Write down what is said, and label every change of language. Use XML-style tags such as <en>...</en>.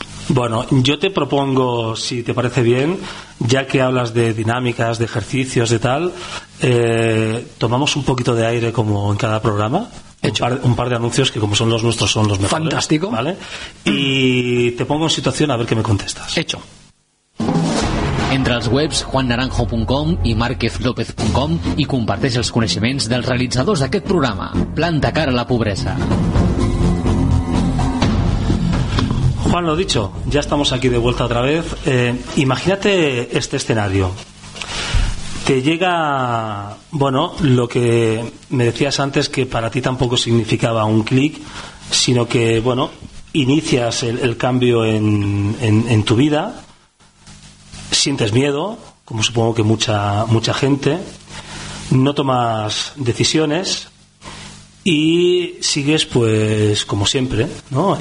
<es>Bueno, yo te propongo, si te parece bien, ya que hablas de dinámicas, de ejercicios, de tal, tomamos un poquito de aire como en cada programa. Hecho. Un par de anuncios que como son los nuestros son los mejores. Fantástico. ¿Vale? Y te pongo en situación a ver qué me contestas. Hecho.</es> <ca>Entre els webs juannaranjo.com i marquezlopez.com i comparteix els coneixements dels realitzadors d'aquest programa. Planta cara a la pobresa.</ca> <es>Juan, lo dicho, ya estamos aquí de vuelta otra vez. Imagínate este escenario. te llega, bueno, lo que me decías antes, que para ti tampoco significaba un clic, sino que, bueno, inicias el cambio en tu vida, sientes miedo, como supongo que mucha gente, no tomas decisiones y sigues, pues, como siempre, ¿no?</es>